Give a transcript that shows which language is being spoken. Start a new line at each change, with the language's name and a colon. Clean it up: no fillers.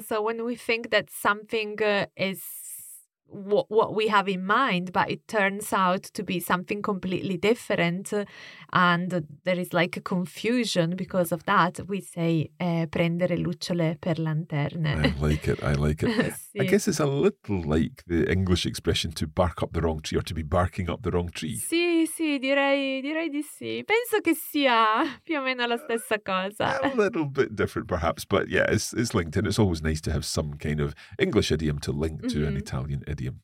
English: So when we think that something is what we have in mind, but it turns out to be something completely different, and there is like a confusion because of that, we say
Italian: prendere lucciole per lanterne.
English: I like it.
Italian: Sì.
English: I guess it's a little like the English expression to bark up the wrong tree or to be barking up the wrong tree.
Italian: Sì, sì, direi di sì. Penso che sia più o meno la stessa cosa.
English: A little bit different perhaps, but yeah, it's linked, and it's always nice to have some kind of English idiom to link to mm-hmm. an Italian idiom.